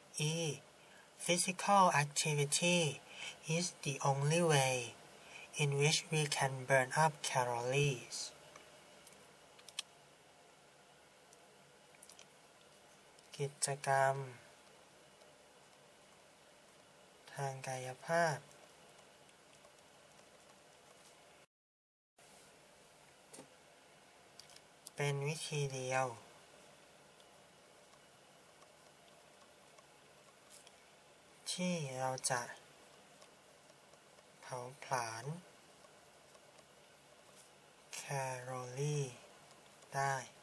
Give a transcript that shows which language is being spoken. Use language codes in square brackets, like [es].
[en] E. Physical activity is the only way in which we can burn up calories. [th] กิจกรรมทางกายภาพเป็นวิธีเดียวที่เราจะเผาผลาญแคลอรี่ได้